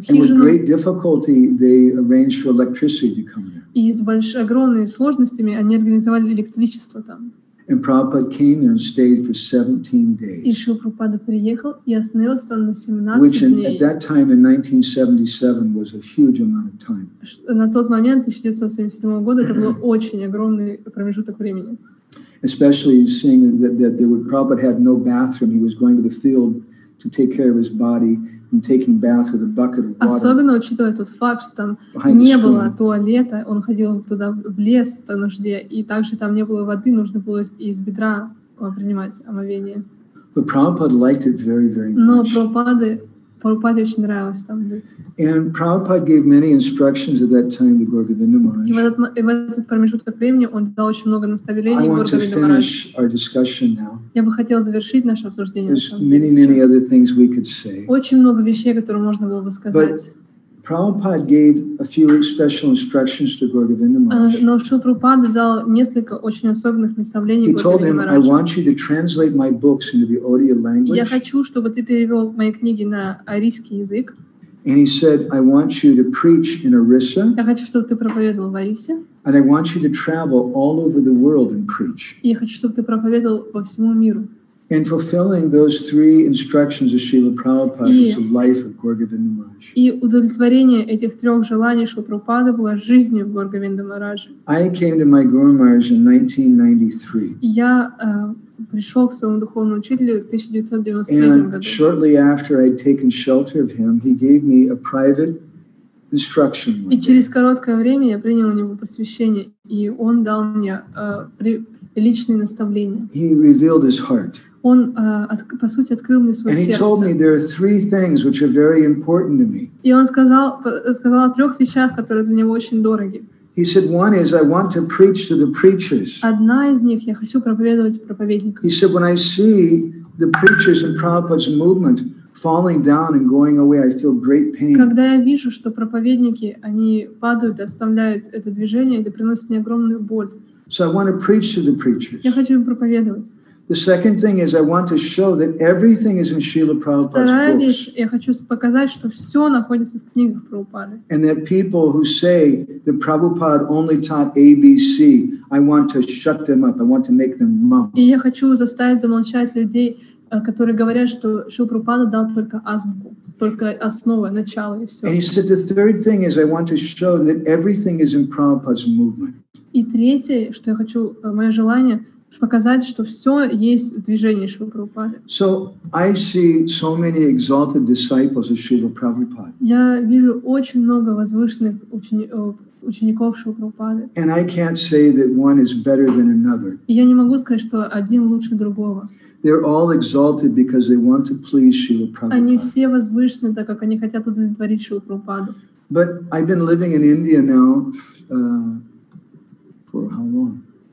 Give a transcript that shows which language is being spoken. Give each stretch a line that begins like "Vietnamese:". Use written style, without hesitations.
English: And with great difficulty, they arranged for electricity to come there.
Russian: И с огромными сложностями они организовали электричество там.
English: And Prabhupada came there and stayed for 17 days.
Russian: И Шрила Прабхупада приехал и остановился там на 17 дней.
English: Which at that time in 1977 was a huge amount of time.
Russian: На тот момент, 1977 года, это был очень огромный промежуток времени.
English: Especially seeing that there would, Prabhupada had no bathroom. He was going to the field to take care of his body and taking bath with a bucket of water.
Russian: Особенно учитывая тот факт, что там не было туалета, он ходил туда в лес по нужде, и также там не было воды, нужно было из ведра принимать омовение.
English: But Prabhupada liked it very, very much.
Russian: Но Прабхупаде очень нравилось там быть.
English: And Prabhupada gave many instructions at that time to Guru Govinda Maharaj.
Russian: И в этот промежуток времени он дал очень много наставлений Гуру Говинда Махараджу.
English: I want to finish our discussion now.
Russian: Я бы хотел завершить наше обсуждение.
English: There's many other things we could say.
Russian: Очень много вещей, которые можно было бы сказать.
English: But Prabhupada gave a few special instructions to Guru Govinda Maharaj.
Russian: Но Шрила Прабхупада дал несколько очень особенных наставлений Гуру
English: Говинда Махараджу. He told him, I want you to translate my books into the Odia language.
Russian: Я хочу, чтобы ты перевел мои книги на арийский язык.
English: And he said, I want you to preach in Orissa.
Russian: Я хочу, чтобы ты проповедовал в Орисе.
English: And I want you to travel all over the world and preach.
Russian: Я хочу, чтобы ты проповедовал по всему миру.
English: And fulfilling those three instructions of Srila Prabhupada was the life of Guru Govinda Maharaj.
Russian: И удовлетворение этих трех желаний Шрилы Прабхупады было жизнью Гуру Говинда Махараджа.
English: I came to my Guru Maharaj in 1993.
Russian: Я пришел к своему духовному учителю в 1993 году.
English: And shortly after I'd taken shelter of him, he gave me a private instruction.
Russian: И через короткое время я принял у него посвящение, и он дал мне личные наставления.
English: He revealed his heart.
Russian: Он, по сути, открыл мне свое
English: And
Russian: сердце.
English: He told me there are three things which are very important to me.
Russian: И он сказал о трех вещах, которые для него очень дороги.
English: He said, one is I want to preach to the preachers.
Russian: Одна из них, я хочу проповедовать проповедникам.
English: He said, when I see the preachers in Prabhupada's movement falling down and going away, I feel great pain.
Russian: Когда я вижу, что проповедники, они падают, оставляют это движение, это приносит мне огромную боль.
English: So I want to preach to the preachers.
Russian: Я хочу им проповедовать.
English: The second thing is I want to show that everything is in Srila Prabhupada's books.
Russian: Вторая вещь, я хочу показать, что все находится в книгах Прабхупады.
English: And that people who say that Prabhupada only taught A, B, C, I want to shut them up. I want to make them monks.
Russian: И я хочу заставить замолчать людей, которые говорят, что Шрила Прабхупада дал только азбуку, только основы, начало и все.
English: And he said the third thing is I want to show that everything is in Prabhupada's movement.
Russian: И третье, что я хочу, мое желание. Показать, что все есть в движении Шрилы Прабхупады.
English: So I see so many exalted disciples of Srila Prabhupada.
Russian: Я вижу очень много возвышенных учеников Шрилы Прабхупады.
English: And I can't say that one is better than another.
Russian: И я не могу сказать, что один лучше другого.
English: They're all exalted because they want to please Srila Prabhupada.
Russian: Они все возвышены, так как они хотят удовлетворить Шрилу Прабхупаду.
English: But I've been living in India now for how long?